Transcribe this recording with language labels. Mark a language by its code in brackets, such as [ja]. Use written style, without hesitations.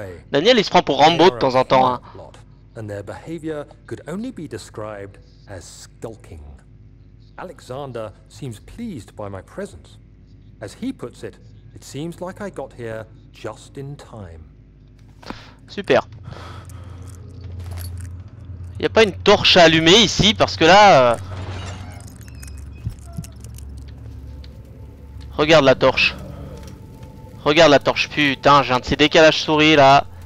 [fr] Daniel, il se prend pour Rambo de temps en temps, hein. [en] And their behavior could only be described as skulking. Alexander seems pleased by my presence. As he puts it, it seems like I got here just in time. [fr] Super. Y'a pas une torche à allumer ici, parce que là... Regarde la torche. Regarde la torche, putain, j'ai un de ces décalages souris, là.